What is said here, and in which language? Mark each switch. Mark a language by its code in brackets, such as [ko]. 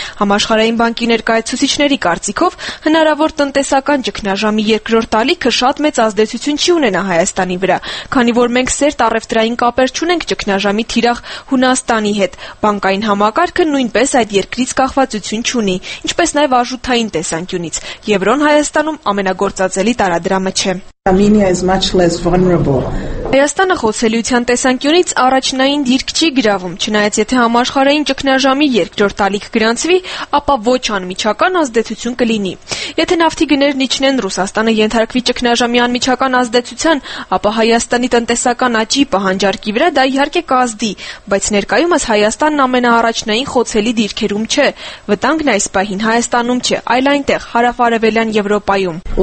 [hy] Համաշխարհային բանկի ներկայացուցիչների կարծիքով հնարավոր տնտեսական ճգնաժամի երկրորդ ալիքը շատ մեծ ազդեցություն չի ունենա Հայաստանի վրա, քանի որ մենք սերտ առևտրային կապեր չունենք ճգնաժամի թիրախ Հունաստանի հետ։ Բանկային համակարգը նույնպես այդ երկրից կախվածություն չունի, ինչպես նաև արժութային տեսանկյունից։ Եվրոն Հայաստանում ամենագործածելի տարադրամը չէ։ [en] Armenia is much less vulnerable. [hy] Հայաստանը խոցելիության տեսանկյունից առաջնային դիրք չի գրավում, չնայած եթե համաշխարհային ճգնաժամի երկրորդ ալիք գրանցվի, ապա ոչ անմիջական ազդեցություն կլինի։ Եթե նավթի գներն իջնեն, Ռուսաստանը ենթարկվի ճգնաժամի անմիջական ազդեցության, ապա Հայաստանի տնտեսական աճի պահանջարկի վրա դա իհարկե կազդի, բայց ներկայումս Հայաստանն ամենաառաջնային խոցելի դիրքերում չէ։ Վտանգն այս պահին Հայաստանում չէ, այլ այնտեղ, հարավարևելյան Եվրոպայում։